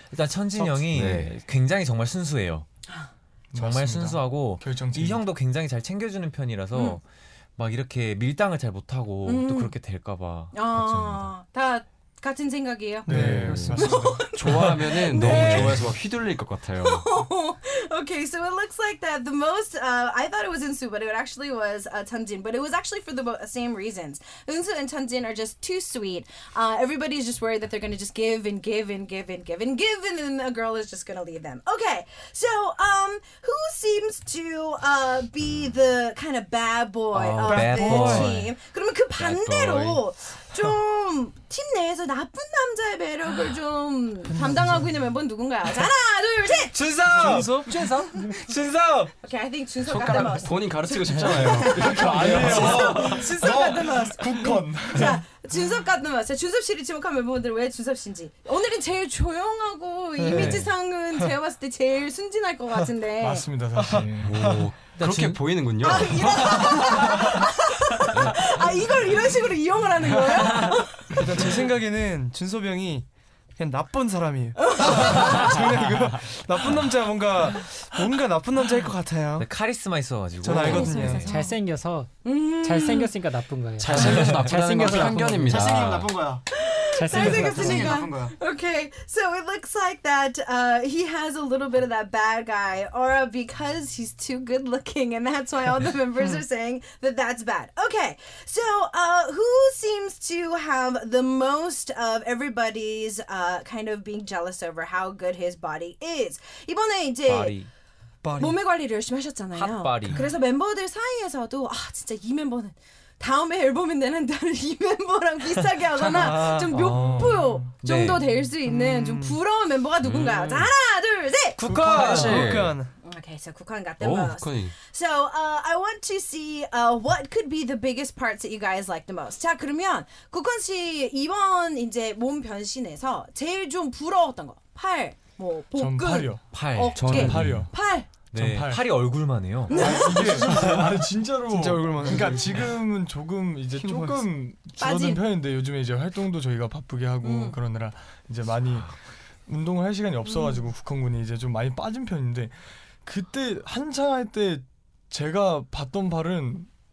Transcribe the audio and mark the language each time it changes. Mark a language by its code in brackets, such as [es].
[ko] 일단 천진 형이 네. 굉장히 정말 순수해요. 정말 맞습니다. 순수하고 결정적인. 이 형도 굉장히 잘 챙겨주는 편이라서 막 이렇게 밀당을 잘 못하고 또 그렇게 될까봐 걱정입니다. 아, 다 같은 생각이에요. 네, 맞습니다. 좋아하면은 네. 너무 좋아해서 막 휘둘릴 것 같아요. [en] Okay, so it looks like that the most I thought it was Eunsu, but it actually was Chunjin, but it was actually for the same reasons. Eunsu and Chunjin are just too sweet. Everybody's just worried that they're going to just give and give and give and give and give, and then a girl is just going to leave them. Okay, so who seems to be the kind of bad boy of the team? [ko] 그러면 그 반대로 좀 팀 내에서 나쁜 남자의 매력을 좀 담당하고 있는 멤버는 누군가요? 하나, 둘, 셋! 준섭! 준섭? 준섭! [en] Okay, I think 준섭 got the most. [ko] 본인 가르치고 싶잖아요. 이렇게 아니에요. [en] 준섭 got the most. [ko] 국헌. [en] 자, 준섭 got the most. [ko] 준섭 씨를 지목한 멤버분들은 왜 준섭 씨인지. 오늘은 제일 조용하고 이미지상은 제가 봤을 때 제일 순진할 것 같은데. 맞습니다, 사실. 그렇게 보이는군요. 아, 이런... 아 이걸 이런 식으로 이용을 하는 거예요? 일단 제 생각에는 준섭이 형이 그냥 나쁜 사람이에요. 저는 이거 나쁜 남자 뭔가 나쁜 남자일 것 같아요. 네, 카리스마 있어가지고. 전 알거든요. 잘생겨서 잘생겼으니까 나쁜 거예요. 잘생겨서 나쁜 거예요. 편견입니다. 잘생기면 나쁜 거야. [en] Okay, so it looks like that he has a little bit of that bad guy aura because he's too good looking, and that's why all the members are saying that that's bad. Okay, so who seems to have the most of everybody's kind of being jealous over how good his body is? [ko] 이번에 이제 [en] body. [ko] 몸매 관리를 열심히 하셨잖아요. [en] Hot body. [ko] 그래서 멤버들 사이에서도 아 진짜 이 멤버는 다음에 앨범인데 나는 이 멤버랑 비슷하게 하거나 좀 묘포 정도 네. 될 수 있는 좀 부러운 멤버가 누군가요? 자, 하나 둘 셋! 국헌! [en] Okay, so 국헌 got the most. So I want to see what could be the biggest parts that you guys like the most. [ko] 자 그러면 국헌 씨 이번 이제 몸 변신에서 제일 좀 부러웠던 거 팔, 뭐 복근, 팔요. 팔, 어깨, 저는 팔이요. 팔. 네, 팔이 얼굴만 해요. 진짜 얼굴만 그러니까 해요. 지금은 조금 이제 조금 줄어든 편인데 요즘에 이제 활동도 저희가 바쁘게 하고 그러느라 이제 많이 운동을 할 시간이 없어가지고 국헌군이 이제 좀 많이 빠진 편인데 그때 한창 할 때 제가 봤던 발은